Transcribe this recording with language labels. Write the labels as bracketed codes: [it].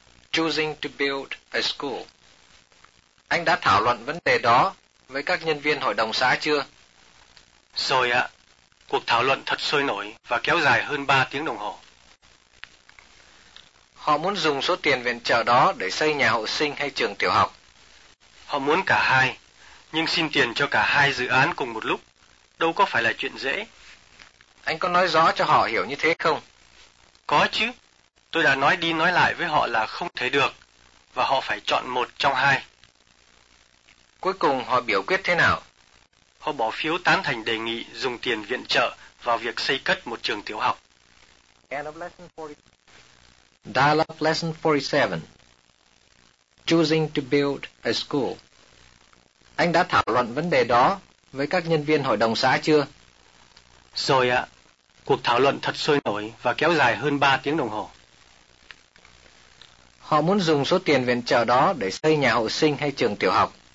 [en] Choosing to build a school. [vi] Anh đã thảo luận vấn đề đó với các nhân viên hội đồng xã chưa? Rồi ạ. Cuộc thảo luận thật sôi nổi và kéo dài hơn 3 tiếng đồng hồ. Họ muốn dùng số tiền viện trợ đó để xây nhà hộ sinh hay trường tiểu học? Họ muốn cả hai, nhưng xin tiền cho cả hai dự án cùng một lúc đâu có phải là chuyện dễ. Anh có nói rõ cho họ hiểu như thế không? Có chứ. Tôi đã nói đi nói lại với họ là không thể được, và họ phải chọn một trong hai. Cuối cùng họ biểu quyết thế nào? Họ bỏ phiếu tán thành đề nghị dùng tiền viện trợ vào việc xây cất một trường tiểu học. [en] Dialogue lesson 47. Choosing to build a school. [vi] Anh đã thảo luận vấn đề đó với các nhân viên hội đồng xã chưa? Rồi ạ. Cuộc thảo luận thật sôi nổi và kéo dài hơn 3 tiếng đồng hồ. Họ muốn dùng số tiền viện trợ đó để xây nhà hộ sinh hay trường tiểu học?